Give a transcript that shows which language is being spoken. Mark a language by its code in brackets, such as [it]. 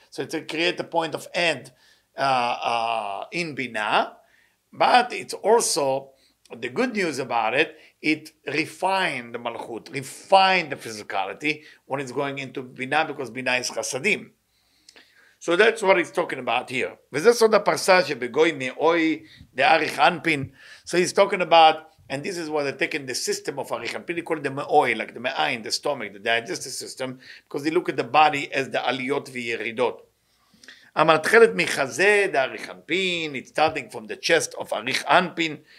[en] So it creates a point of end in Binah. But it's also, the good news about it, it refined the Malchut, refined the physicality when it's going into Binah because Binah is Chassadim. So that's what he's talking about here. [he] וזה סוד הפרסה שבגוי מאוי דאריך אנפין. [en] So he's talking about, and this is what they take in the system of Arichan Pin, they call it the me'oi, like the me'ayin, the stomach, the digestive system, because they look at the body as the aliyot v'yeridot. [he] המתחלת מחזה, [en] the Arichan Pin, it's starting from the chest of Arichan Pin.